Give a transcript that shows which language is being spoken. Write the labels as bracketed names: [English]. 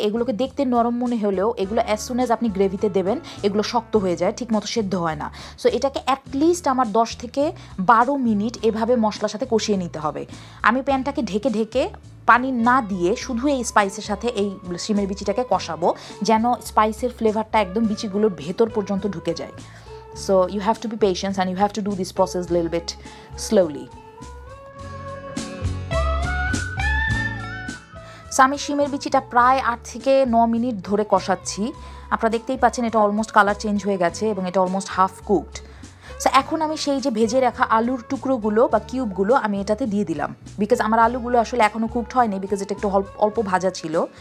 [Bangla] এগুলোকে দেখতে নরম মনে হলেও এগুলো অ্যাজ সুন অ্যাজ আপনি গ্রেভিতে দেবেন এগুলো শক্ত হয়ে যায়, ঠিক মতো সেদ্ধ হয় না। সো এটাকে অ্যাটলিস্ট আমার 10 থেকে 12 মিনিট এভাবে মশলার সাথে কষিয়ে নিতে হবে। আমি প্যানটাকে ঢেকে ঢেকে পানি না দিয়ে শুধু এই স্পাইসের সাথে এই শিমের বিচিটাকে কষাবো, যেন স্পাইসের ফ্লেভারটা একদম বিচিগুলোর ভেতর পর্যন্ত ঢুকে যায়। [English] So you have to be patient and you have to do this process a little bit slowly. [Bangla] আমি শিমের বিচিটা প্রায় 8 থেকে 9 মিনিট ধরে কষাচ্ছি। আপনারা দেখতেই পাচ্ছেন এটা অলমোস্ট কালার চেঞ্জ হয়ে গেছে এবং এটা অলমোস্ট হাফ কুকড। সো এখন আমি সেই যে ভেজে রাখা আলুর টুকরোগুলো বা কিউবগুলো আমি এটাতে দিয়ে দিলাম, বিকজ আমার আলুগুলো আসলে এখনও কুকড হয়নি, বিকজ এটা একটু অল্প ভাজা ছিল।